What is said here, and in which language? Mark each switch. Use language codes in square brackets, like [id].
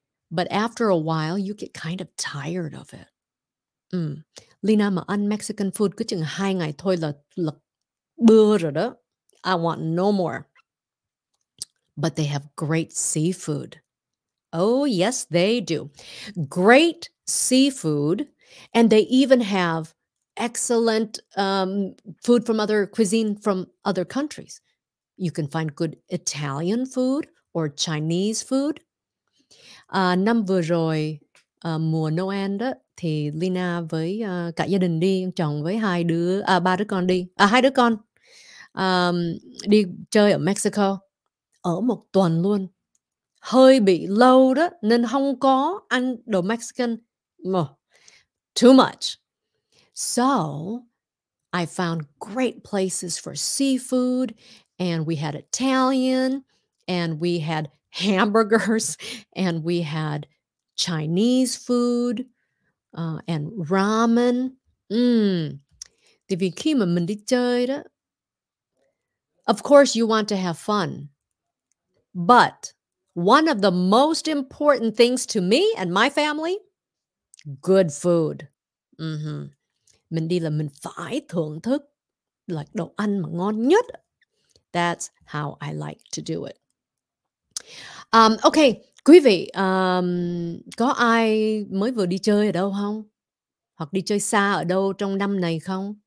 [en] But after a while, you get kind of tired of it. [vi] Leyna mà ăn Mexican food cứ chừng 2 ngày thôi là bừa rồi đó. [en] I want no more. But they have great seafood. Oh, yes, they do. Great seafood. And they even have excellent food from other cuisine from other countries. You can find good Italian food or Chinese food. [vi] Năm vừa rồi, mùa Noel đó, thì Leyna với cả gia đình đi, chồng với hai đứa con đi chơi ở Mexico, ở một tuần luôn. Hơi bị lâu đó, nên không có ăn đồ Mexican. [en] Too much. So, I found great places for seafood, and we had Italian, and we had hamburgers, and we had Chinese food, and ramen. [vi] Tại vì khi mà mình đi chơi đó, [en] of course you want to have fun, but one of the most important things to me and my family, good food. [vi] Mình đi là mình phải thưởng thức like đồ ăn mà ngon nhất. [en] That's how I like to do it. [vi] Ok, quý vị, có ai mới vừa đi chơi ở đâu không? Hoặc đi chơi xa ở đâu trong năm này không?